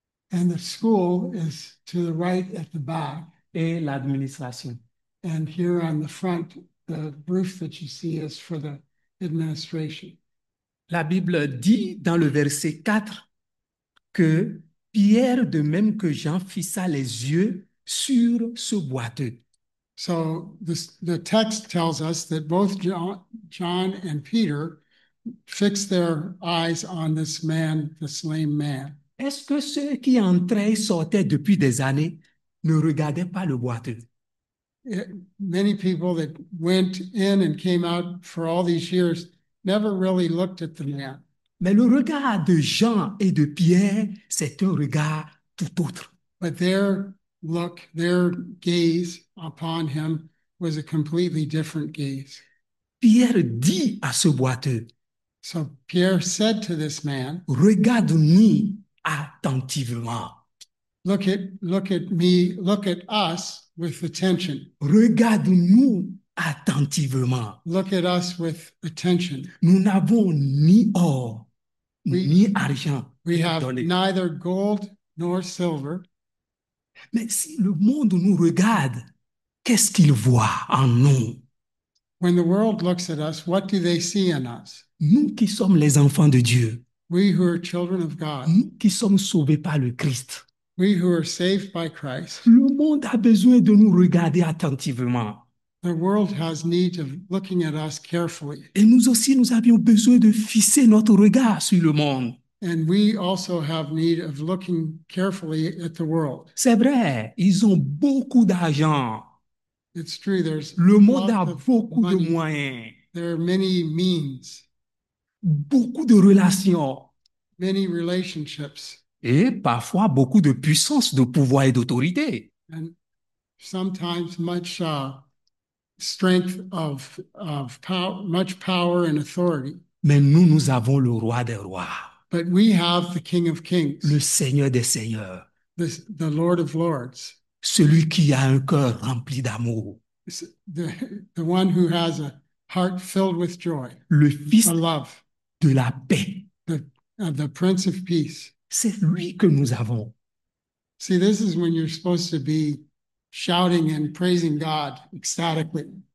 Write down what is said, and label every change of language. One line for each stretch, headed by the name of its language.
English: And the school is to the right at the back.
French: Et l'administration.
English: And here on the front, the roof that you see is for the administration.
French: La Bible dit dans le verset 4 que Pierre, de même que Jean, fixa les yeux sur ce boiteux.
English: So the text tells us that both John and Peter fixed their eyes on this man, this lame man.
French: Est-ce que ceux qui entraient et sortaient depuis des années ne regardaient pas le boiteux?
English: Many people that went in and came out for all these years never really looked at the man.
French: Mais le regard de Jean et de Pierre, c'est un regard tout autre.
English: But their look, their gaze upon him was a completely different gaze.
French: Pierre dit à ce boiteux,
English: So Pierre said to this man,
French: regarde-nous attentivement.
English: Look at us with attention.
French: Regarde-nous attentivement.
English: Look at us with attention.
French: Nous n'avons ni or, ni argent.
English: We have neither gold nor silver.
French: Mais si le monde nous regarde, qu'est-ce qu'il voit en nous?
English: When the world looks at us, what do they see in us?
French: Nous qui sommes les enfants de Dieu.
English: We who are children of God.
French: Nous qui sommes sauvés par le Christ.
English: We who are saved by Christ.
French: Le monde a besoin de nous regarder attentivement.
English: The world has need of looking at us carefully.
French: Et nous aussi, nous avions besoin de fixer notre regard sur le monde.
English: And we also have need of looking carefully at the world.
French: C'est vrai, ils ont beaucoup d'argent.
English: It's true, there's
French: Le monde a
English: lots of
French: beaucoup de
English: money.
French: moyens.
English: There are many means.
French: Beaucoup de relations.
English: Many relationships.
French: Et parfois, beaucoup de puissance, de pouvoir et d'autorité.
English: And sometimes much strength of power, much power and authority.
French: Mais nous, nous avons le roi des rois.
English: But we have the King of Kings,
French: Le Seigneur des Seigneurs.
English: the Lord of Lords,
French: Celui qui a un cœur rempli d'amour.
English: the one who has a heart filled with joy,
French: Le Fils
English: a love,
French: de la paix.
English: The Prince of Peace.
French: C'est lui que nous avons.
English: See, this is when you're supposed to be shouting and praising God ecstatically.